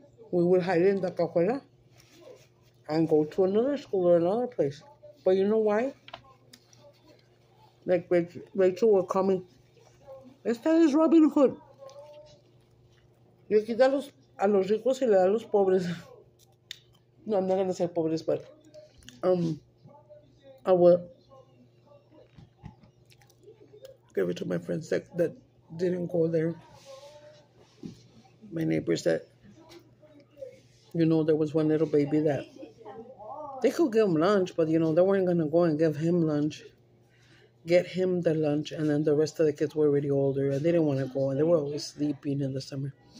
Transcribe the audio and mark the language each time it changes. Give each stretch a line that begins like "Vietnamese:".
English: we would hide in the cajuela and go to another school or another place. But you know why? Like Rachel would call me,
Spanish: "Esta es Robin Hood. Le quita a los ricos y le da a los pobres."
English: No, I'm not going to say pobres, but I will give it to my friends that didn't go there. My neighbors that, you know, there was one little baby that they could give him lunch, but, you know, they weren't going to go and give him lunch, get him the lunch, and then the rest of the kids were already older, and they didn't want to go, and they were always sleeping in the summer.